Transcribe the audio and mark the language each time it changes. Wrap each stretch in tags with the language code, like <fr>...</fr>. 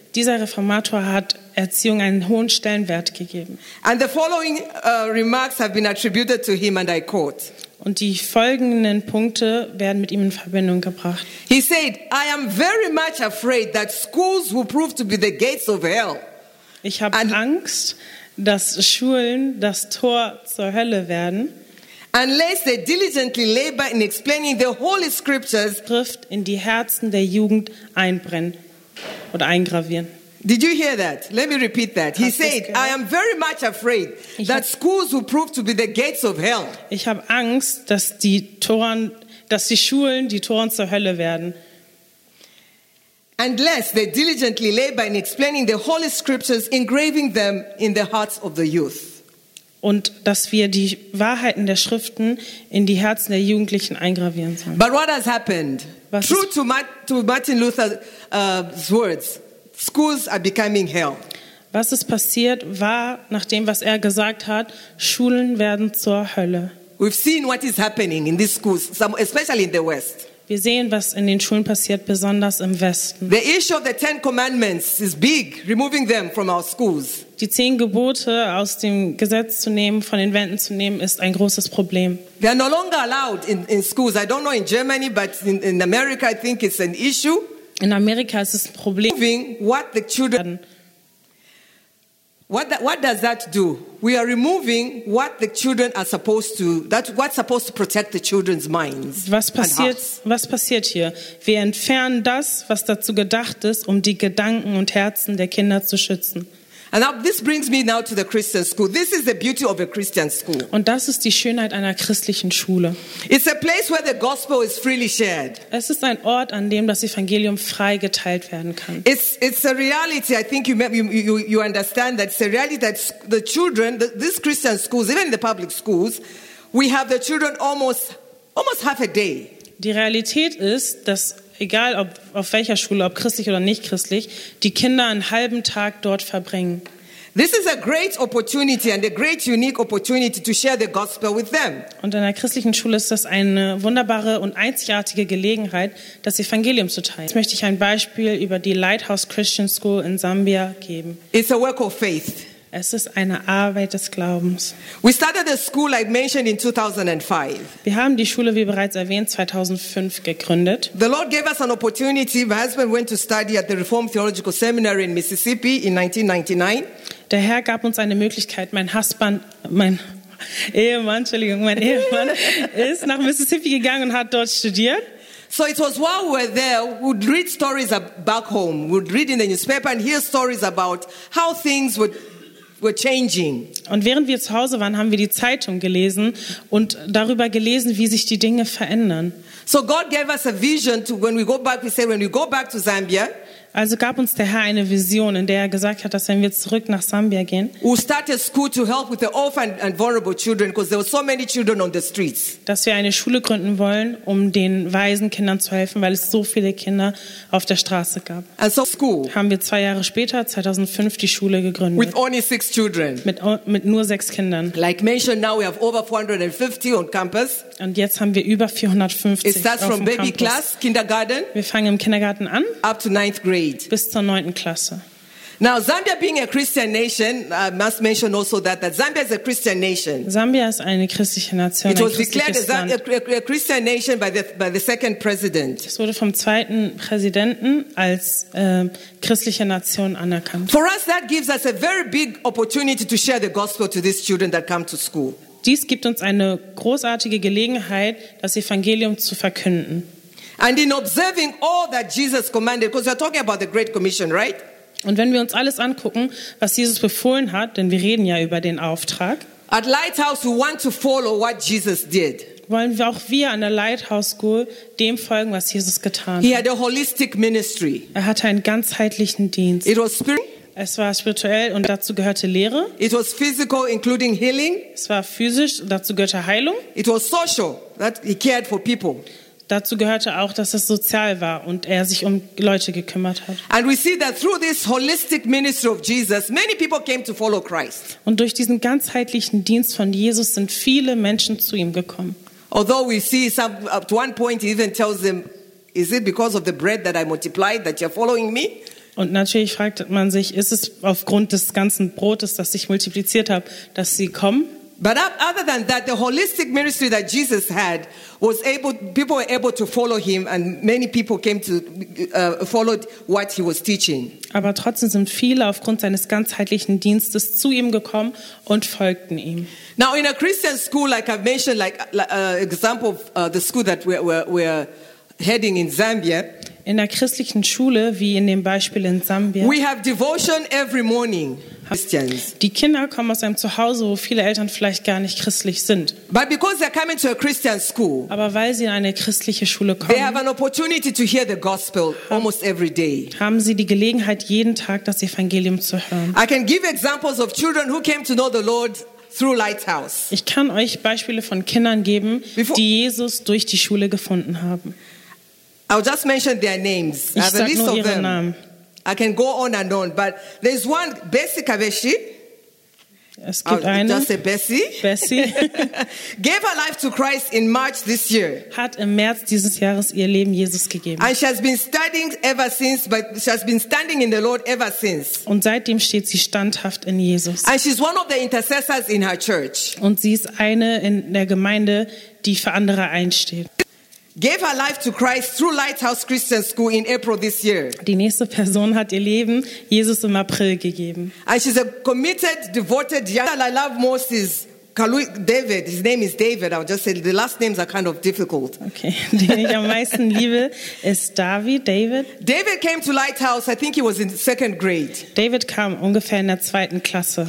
<de>Dieser Reformator hat Erziehung einen hohen Stellenwert gegeben.</de> <en>And the following remarks have been attributed to him, and I quote.</en> <de>Und die folgenden Punkte werden mit ihm in Verbindung gebracht.</de> <en>He said, I am very much afraid that schools will prove to be the gates of hell.</en> <de>Ich habe Angst, dass Schulen das Tor zur Hölle werden.</de> <en>Unless they diligently labor in explaining the holy scriptures,</en> <de>Schrift in die Herzen der Jugend einbrennen oder eingravieren.</de> <en>Did you hear that? Let me repeat that. He said, I am very much afraid that schools will prove to be the gates of hell.</en> <de>Ich habe Angst, dass die Schulen die Toren zur Hölle werden.</de> <en>Unless they diligently labor in explaining the holy scriptures, engraving them in the hearts of the youth.</en> <de>Und dass wir die Wahrheiten der Schriften in die Herzen der Jugendlichen eingravieren sollen.</de> <en>But what has happened? True to Martin Luther's words, schools are becoming hell.</en> <de>Was ist passiert, war nach dem, was er gesagt hat, Schulen werden zur Hölle.</de> <en>We've seen what is happening in these schools, especially in the West.</en> <de>Wir sehen, was in den Schulen passiert, besonders im Westen.</de> <en>The issue of the Ten Commandments is big, removing them from our schools.</en> <de>Die 10 Gebote aus dem Gesetz zu nehmen, von den Wänden zu nehmen, ist ein großes Problem.</de> <en>They are no longer allowed in schools. I don't know in Germany, but in America I think it's an issue.</en> <de>In Amerika ist es ein Problem.</de> <en>Removing what the children. What does that do? We are removing what the children are supposed to. That what's supposed to protect the children's minds.</en> <de>Was passiert hier? Wir entfernen das, was dazu gedacht ist, um die Gedanken und Herzen der Kinder zu schützen.</de> <en>And now this brings me now to the Christian school. This is the beauty of a Christian school.</en> <de>Und das ist die Schönheit einer christlichen Schule.</de> <en>It's a place where the gospel is freely shared.</en> <de>Es ist ein Ort, an dem das Evangelium frei geteilt werden kann.</de> <en>It's a reality. I think you understand that it's a reality that the children, these Christian schools, even in the public schools, we have the children almost half a day.</en> <de>Die Realität ist, dass egal ob auf welcher Schule, ob christlich oder nicht christlich, die Kinder einen halben Tag dort verbringen.</de> <en>This is a great opportunity and a great unique opportunity to share the gospel with them.</en> <de>Und in der christlichen Schule ist das eine wunderbare und einzigartige Gelegenheit, das Evangelium zu teilen. Jetzt möchte ich ein Beispiel über die Lighthouse Christian School in Sambia geben.</de> <en>It's a work of faith.</en> <de>Es ist eine Arbeit des Glaubens.</de> <en>We started the school, like mentioned, in 2005.</en> <de>Wir haben die Schule, wie bereits erwähnt, 2005 gegründet.</de> <en>The Lord gave us an opportunity. My husband went to study at the Reformed Theological Seminary in Mississippi in 1999.</en> <de>Der Herr gab uns eine Möglichkeit. Mein Ehemann ist nach Mississippi gegangen und hat dort studiert.</de> <en>So it was while we were there, we'd read stories back home. We'd read in the newspaper and hear stories about how things would.</en> <de>Und während wir zu Hause waren, haben wir die Zeitung gelesen und darüber gelesen, wie sich die Dinge verändern.</de> <en>So God gave us a vision to when we go back. We say when we go back to Zambia.</en> <de>Also gab uns der Herr eine Vision, in der er gesagt hat, dass wenn wir zurück nach Sambia gehen,</de> <en>we'll start a school to help with the orphan and vulnerable children, because there were so many children on the streets.</en> <de>Dass wir eine Schule gründen wollen, um den Waisenkindern zu helfen, weil es so viele Kinder auf der Straße gab.</de> <en>And so school.</en> <de>Haben wir zwei Jahre später, 2005, die Schule gegründet.</de> <en>With only 6 children.</en> <de>Mit nur 6 Kindern.</de> <en>Like mentioned, now we have over 450 on campus.</en> <de>Und jetzt haben wir über 450 auf dem Campus.</de> <en>From baby class, kindergarten.</en> <de>Wir fangen im Kindergarten an.</de> <en>Up to 9th grade.</en> <de>Bis zur 9. Klasse.</de> <en>Now, Zambia being a Christian nation, I must mention also that Zambia is a Christian nation.</en> <de>Zambia ist eine christliche Nation.</de> <en>It was declared a Christian nation by the second president.</en> <de>Es wurde vom zweiten Präsidenten als christliche Nation anerkannt.</de> <en>For us, that gives us a very big opportunity to share the gospel to these children that come to school.</en> <de>Dies gibt uns eine großartige Gelegenheit, das Evangelium zu verkünden.</de> <en>And in observing all that Jesus commanded, because we're talking about the Great Commission, right?</en> <de>Und wenn wir uns alles angucken, was Jesus befohlen hat, denn wir reden ja über den Auftrag.</de> <en>At Lighthouse, we want to follow what Jesus did.</en> <de>Wollen wir auch wir an der Lighthouse School dem folgen, was Jesus getan hat?</de> <en>He had a holistic ministry.</en> <de>Er hatte einen ganzheitlichen Dienst.</de> <en>It was spiritual.</en> <de>Es war spirituell und dazu gehörte Lehre.</de> <en>It was physical, including healing.</en> <de>Es war physisch, dazu gehörte Heilung.</de> <en>It was social, that he cared for people.</en> <de>Dazu gehörte auch, dass es sozial war und er sich um Leute gekümmert hat.</de> <en>And we see that through this holistic ministry of Jesus, many people came to follow Christ.</en> <de>Und durch diesen ganzheitlichen Dienst von Jesus sind viele Menschen zu ihm gekommen.</de> <en>Although we see some, at one point he even tells them, is it because of the bread that I multiplied that you're following me?</en> <de>Und natürlich fragt man sich, ist es aufgrund des ganzen Brotes, das ich multipliziert habe, dass sie kommen?</de> <en>But other than that, the holistic ministry that Jesus had was able, people were able to follow him, and many people came to followed what he was teaching.</en> <de>Aber trotzdem sind viele aufgrund seines ganzheitlichen Dienstes zu ihm gekommen und folgten ihm.</de> <en>Now in a Christian school, like I've mentioned, like example of the school that we're heading in Zambia.</en> <de>In der christlichen Schule, wie in dem Beispiel in Sambia.</de> <en>We have devotion every morning.</en> <de>Die Kinder kommen aus einem Zuhause, wo viele Eltern vielleicht gar nicht christlich sind.</de> <en>But because they're coming to a Christian school,</en> <de>aber weil sie in eine christliche Schule kommen,</de> <en>they have an opportunity to hear the gospel almost every day.</en> <de>Haben sie die Gelegenheit, jeden Tag das Evangelium zu hören.</de> <en>I can give examples of children who came to know the Lord through Lighthouse.</en> <de>Ich kann euch Beispiele von Kindern geben, die Jesus durch die Schule gefunden haben.</de> <en>I'll just mention their names.</en> <de>Ich sage nur ihre Namen.</de> <en>I can go on and on, but there's one, Bessie Kaveshi.</en> <de>Es gibt eine.</de> <en>Just say Bessie.</en> <de>Bessie.</de> <en>Gave her life to Christ in March this year.</en> <de>Hat im März dieses Jahres ihr Leben Jesus gegeben.</de> <en>And she has been studying ever since, but she has been standing in the Lord ever since.</en> <de>Und seitdem steht sie standhaft in Jesus.</de> <en>And she's one of the intercessors in her church.</en> <de>Und sie ist eine in der Gemeinde, die für andere einsteht.</de> <en>Gave her life to Christ through Lighthouse Christian School in April this year.</en> <de>Die nächste Person hat ihr Leben Jesus im April gegeben.</de> <en>And she's a committed, devoted young girl. I love most is David. His name is David. I'll just say the last names are kind of difficult. Okay.</en> <de>Den ich am meisten liebe ist David. David.</de> <en>David came to Lighthouse. I think he was in second grade.</en> <de>David kam ungefähr in der zweiten Klasse.</de>